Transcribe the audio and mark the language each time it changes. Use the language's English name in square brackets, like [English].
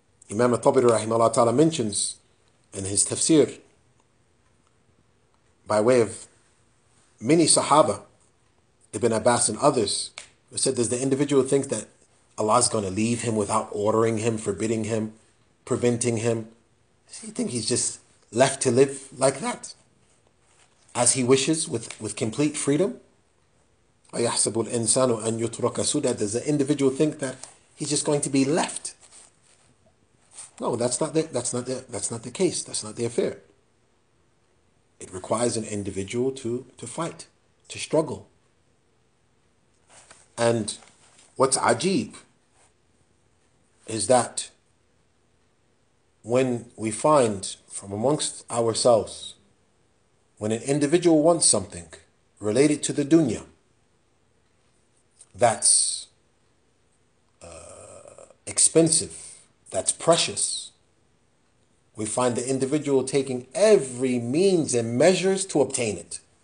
[English] Imam al-Tabari rahimahullah ta'ala mentions in his tafsir, by way of many sahaba, Ibn Abbas and others, who said, does the individual think that Allah is going to leave him without ordering him, forbidding him, preventing him? Does he think he's just left to live like that, as he wishes, with complete freedom? [Arabic] أَيَحْسَبُ الْإِنسَانُ أَن يُتْرَكَ سُدًى. [English] Does the individual think that he's just going to be left? No, that's not the case. That's not the affair. It requires an individual to fight, to struggle. And what's ajeeb is that when we find from amongst ourselves, when an individual wants something related to the dunya that's expensive, that's precious, we find the individual taking every means and measures to obtain it.